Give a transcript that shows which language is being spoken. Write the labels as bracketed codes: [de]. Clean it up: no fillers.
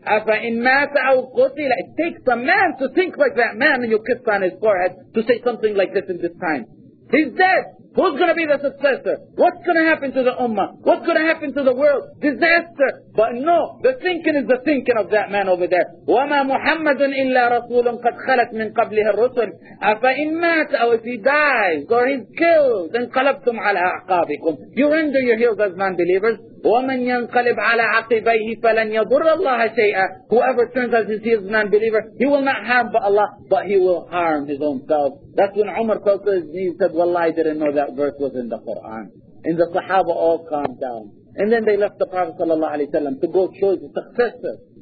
[ar] أَفَإِنْ مَاتَ أَوْ قُتِلَ. [en] It takes a man to think like that man and you kiss on his forehead to say something like this in this time. He's dead. Who's going to be the successor? What's going to happen to the Ummah? What's going to happen to the world? Disaster. But no, the thinking is the thinking of that man over there. [ar] وَمَا مُحَمَّدٌ إِلَّا رَسُولٌ قَدْ خَلَتْ مِنْ قَبْلِهَا الرُّسُلُ أَفَإِنْ مَاتَ أَوْ [en] if he dies or he's killed, then [ar] قَلَبْتُمْ عَلَىٰ أَعْقَابِكُمْ. [en] You render your heels as non-believers. [ar] وَمَنْ يَنْقَلِبْ عَلَىٰ عَقِبَيْهِ فَلَنْ يَضُرَّ اللَّهَ شَيْئًا. [en] Whoever turns as his heels as non-believer, he will not harm but Allah, but he will harm his own self. That's when Umar fell to his knees and said, wallah, I didn't know that verse was in the Quran. And the Sahaba all calmed down. And then they left the Prophet sallallahu alaihi wasallam to go choose a successor.